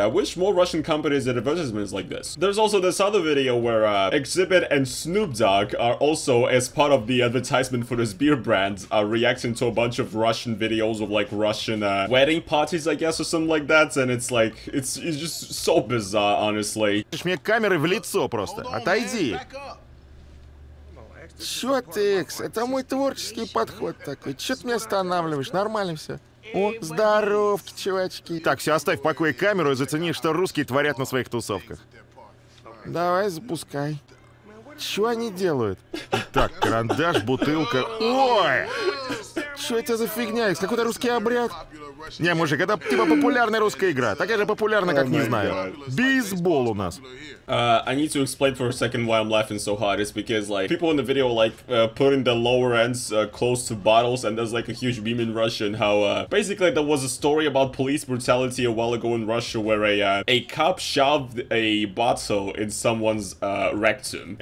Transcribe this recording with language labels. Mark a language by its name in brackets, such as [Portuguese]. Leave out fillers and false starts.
[English] I wish more Russian companies had advertisements like this. There's also this other video where Xzibit and Snoop Dogg are also, as part of the advertisement for this beer brand, are reacting to a bunch of Russian videos of, like, Russian wedding parties, I guess, or something like that. And it's like, it's just so bizarre, honestly. [Russian] Мне камеры в лицо просто. Отойди. Чё ты, Икс? Это мой творческий подход такой. Чё ты меня останавливаешь? Нормально всё. О, здоровки, чувачки. Так, всё, оставь в покое камеру и зацени, что русские творят на своих тусовках. Давай, запускай. Чё они делают? Так, карандаш, бутылка. Ой! Чё это за фигня, Икс? Какой-то русский обряд? Не, мужик, это типа популярная русская игра. Такая же популярная, как, не знаю, бейсбол у нас. [English] I need to explain for a second why I'm laughing so hard. It's because, like, people in the video are, like, putting the lower ends close to bottles, and there's, like, a huge meme in Russian how, basically, there was a story about police brutality a while ago in Russia where a cop shoved a bottle in someone's rectum.